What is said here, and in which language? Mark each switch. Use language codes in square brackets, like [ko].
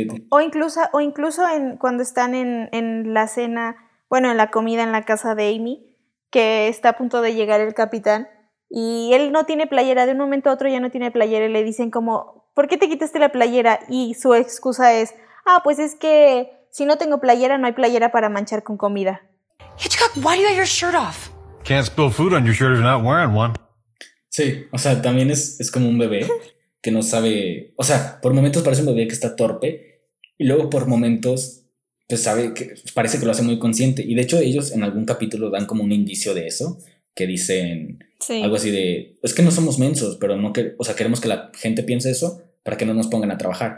[es] O incluso cuando están en la cena, bueno, en la comida en la casa de Amy, que está a punto de llegar el capitán, y él no tiene playera, de un momento a otro ya no tiene playera y le dicen como, ¿por qué te quitaste la playera? Y su excusa es, pues es que si no tengo playera, no hay playera para manchar con comida. [en] Hitchcock, why do you have your shirt off? Can't spill food on your shirt if you're not wearing one. [es] Sí, o sea, también es como un bebé que no sabe, o sea, por momentos parece un bebé que está torpe y luego por momentos pues sabe que parece que lo hace muy consciente. Y de hecho ellos en algún capítulo dan como un indicio de eso, que dicen algo así de, es que no somos mensos, pero no que, o sea, queremos que la gente piense eso para que no nos pongan a trabajar.